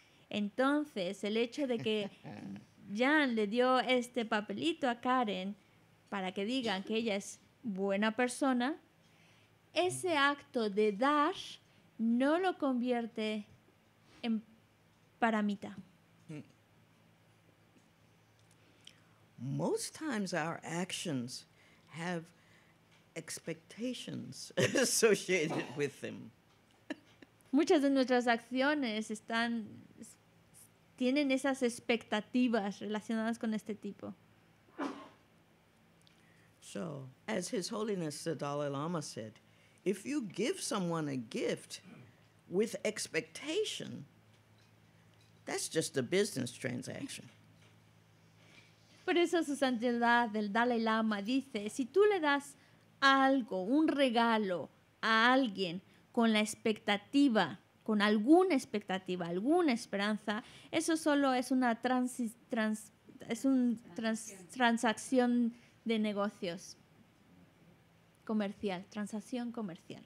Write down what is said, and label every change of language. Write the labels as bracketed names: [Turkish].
[Spanish] Entonces, el hecho de que Jan le dio este papelito a Karen para que digan que ella es buena persona, ese acto de dar no lo convierte en paramita. [English] Most times our actions have expectations associated with them. [Spanish] Muchas de nuestras acciones están tienen esas expectativas relacionadas con este tipo. [English] So, as His Holiness the Dalai Lama said, if you give someone a gift with expectation, that's just a business transaction. [Spanish] Por eso su santidad el Dalai Lama dice, si tú le das algo, un regalo a alguien con la expectativa, con alguna expectativa, alguna esperanza, eso solo es una transacción de negocios comercial, transacción comercial.